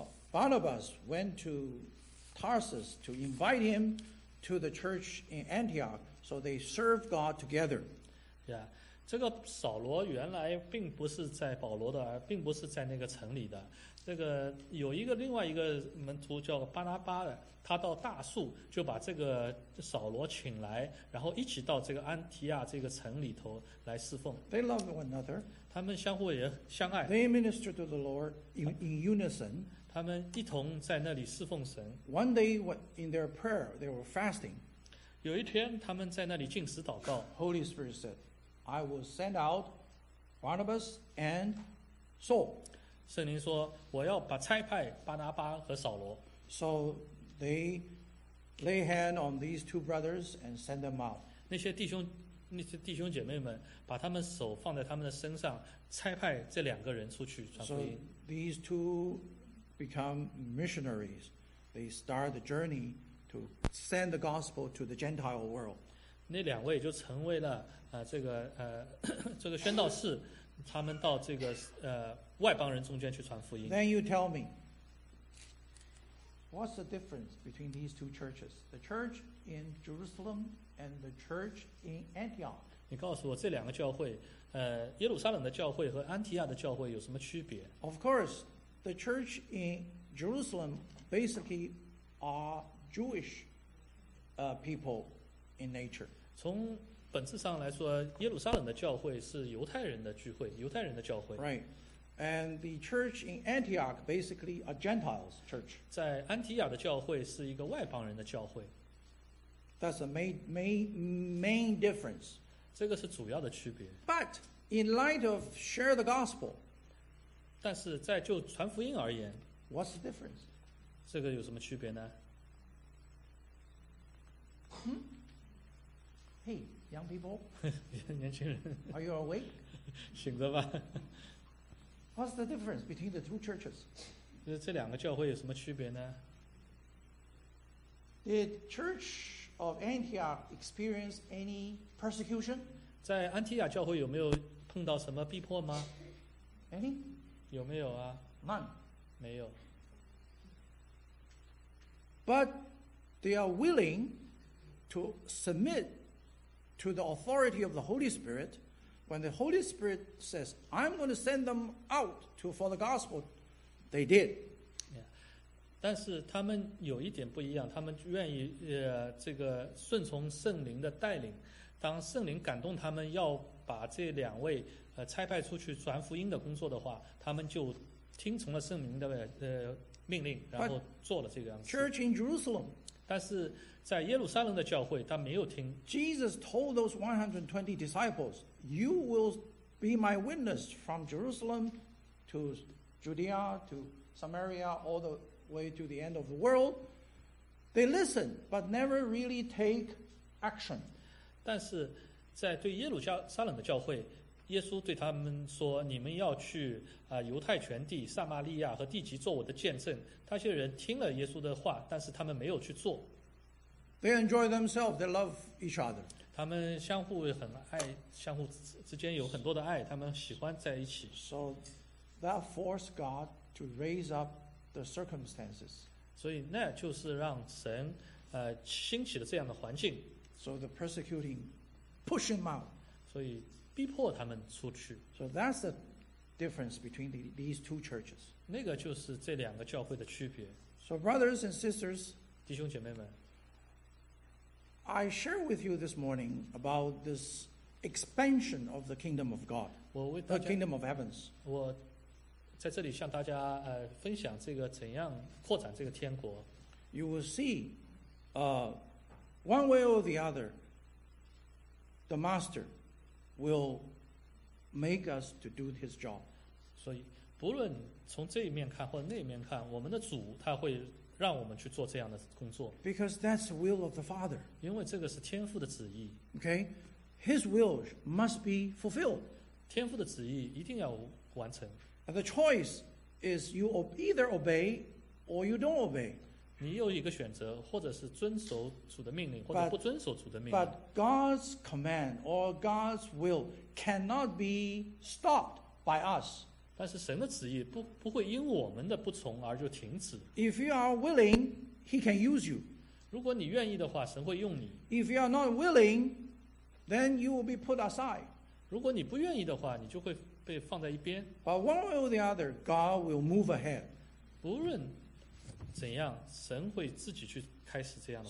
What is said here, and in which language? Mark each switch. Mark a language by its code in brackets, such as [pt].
[en] Barnabas went to Tarsus to invite him to the church in Antioch, so they served God together. Yeah, [zh] 这个扫罗原来并不是在保罗的，并不是在那个城里的。这个有一个另外一个门徒叫巴拿巴的，他到大树就把这个扫罗请来，然后一起到这个安提亚这个城里头来侍奉。 [en] They love one another. [zh] 他们相互也相爱。 [en] They minister to the Lord in unison. [zh] 他们一同在那里侍奉神。 [en] One day, in their prayer, they were fasting. [zh] 有一天他们在那里禁食祷告。 [en] Holy Spirit said, "I will send out Barnabas and Saul." [zh] 圣灵说我要把差派巴拿巴和扫罗。 [en] So they lay hand on these two brothers and send them out. [zh] 那些弟兄姐妹们把他们手放在他们的身上，差派这两个人出去传福音。 [en] So these two become missionaries. They start the journey to send the gospel to the Gentile world. [zh] 那两位就成为了这个宣道士，他们到这个外邦人中间去传福音。 [en] Then you tell me, what's the difference between these two churches, the church in Jerusalem and the church in Antioch? [zh] 你告诉我这两个教会，耶路撒冷的教会和安提亚的教会有什么区别？ [en] Of course, the church in Jerusalem basically are Jewish people in nature. [zh] 从本质上来说，耶路撒冷的教会是犹太人的聚会，犹太人的教会。 [en] Right, and the church in Antioch basically a Gentiles church. [zh] 在安提亚的教会是一个外邦人的教会。 [en] That's the main difference. [zh] 这个是主要的区别。 [en] But in light of share the gospel, [zh] 但是在就传福音而言 [en] ，What's the difference? [zh] 这个有什么区别呢？ [en] Hey. Young people, [zh] 年轻人 [en] are you awake? [zh] 醒着吧。 [en] What's the difference between the two churches? [zh] 这两个教会有什么区别呢？ [en] Did Church of Antioch experience any persecution? [zh] 在安提亚教会有没有碰到什么逼迫吗？ [en] Any? [zh] 有没有啊？ [en] None. [zh] 没有。 [en] But they are willing to submit. To the authority of the Holy Spirit, when the Holy Spirit says, "I'm going to send them out to for the gospel," they did. Yeah. [zh] 但是他们有一点不一样，他们愿意这个顺从圣灵的带领。当圣灵感动他们要把这两位差派出去传福音的工作的话，他们就听从了圣灵的命令，然后做了这个样子。 [en] But Church in Jerusalem. [zh] 但是。在耶路撒冷的教会，他没有听。 [en] Jesus told those 120 disciples, "You will be my witness from Jerusalem to Judea to Samaria, all the way to the end of the world." They listen, but never really take action. [zh] 但是，在对耶路撒冷的教会，耶稣对他们说：“你们要去犹太全地、撒玛利亚和地极做我的见证。” 那些人听了耶稣的话，但是他们没有去做。 [en] They enjoy themselves. They love each other. [zh] 他们相互很爱，相互之间有很多的爱，他们喜欢在一起。 [en] So that forced God to raise up the circumstances. [zh] 所以那就是让神兴起了这样的环境。 [en] So the persecuting push them out. [zh] 所以逼迫他们出去。 [en] So that's the difference between these two churches. [zh] 那个就是这两个教会的区别。 [en] So brothers and sisters, [zh] 弟兄姐妹们。 [en] I share with you this morning about this expansion of the kingdom of God, the kingdom of heavens. [zh] 我在这里向大家分享这个怎样扩展这个天国。 [en] You will see, one way or the other, the master will make us to do his job. [zh] 所以，不论从这一面看或者那一面看，我们的主他会。让我们去做这样的工作。 [en] Because that's the will of the Father. [zh] 因为这个是天父的旨意。 [en] Okay, His will must be fulfilled. [zh] 天父的旨意一定要完成。 [en] And the choice is you either obey or you don't obey. [zh] 你有一个选择，或者是遵守主的命令，或者不遵守主的命令。 [en] But God's command or God's will cannot be stopped by us. [zh] 但是神的旨意 不会因我们的不从而就停止。 [en] If you are willing, He can use you. [zh] 如果你愿意的话，神会用你。 [en] If you are not willing, then you will be put aside. [zh] 如果你不愿意的话，你就会被放在一边。 [en] But one way or the other, God will move ahead. [zh] 不论怎样，神会自己去开始这样的